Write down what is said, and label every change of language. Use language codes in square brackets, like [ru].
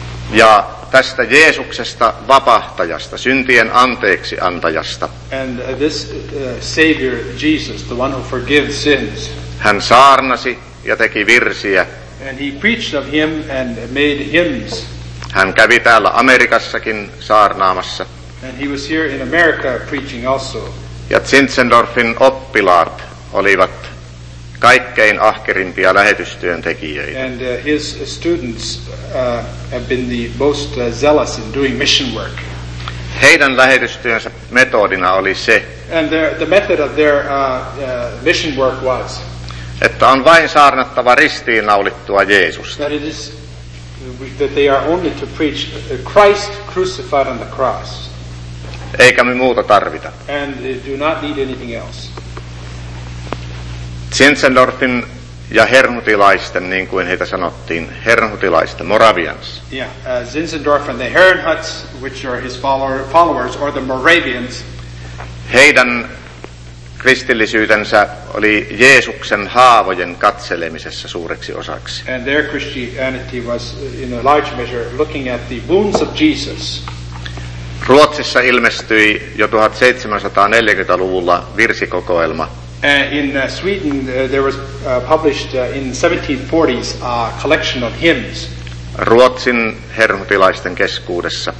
[fi] Ja tästä Jeesuksesta vapahtajasta, syntien anteeksi antajasta. [en] And this Savior Jesus, the one who forgives sins. [fi] Hän saarnasi ja teki virsiä. [en] And he preached of him and made hymns. [fi] Hän kävi täällä Amerikassakin saarnaamassa. [en] And he was here in America preaching also. [fi] Ja Zinzendorfin oppilaat olivat kaikkein ahkerimpia lähetystyöntekijöitä. [en] And his students have been the most zealous in doing mission work. [fi] Heidän lähetystyönsä metodina oli se. [en] And the method of their mission work was. [fi] Että on vain saarnattava ristiinnaulittua Jeesusta. [en] That it is, that they are only to preach Christ crucified on the cross. [fi] Eikä me muuta tarvita. [en] And do not need anything else. [fi] Zinzendorfin ja hernhutilaisten, niin kuin heitä sanottiin, hernhutilaisten, Moravians. [en] Yeah, Zinzendorf and the Herrnhuts, which are his followers, or the Moravians. [fi] Heidän kristillisyytensä oli Jeesuksen haavojen katselemisessa suureksi osaksi. [en] And their Christianity was in a large measure looking at the wounds of Jesus. [fi] Ruotsissa ilmestyi jo 1740-luvulla virsikokoelma. [en] In Sweden there was published in 1740s a collection of hymns. [fi] Ruotsin hernhutilaisten keskuudessa.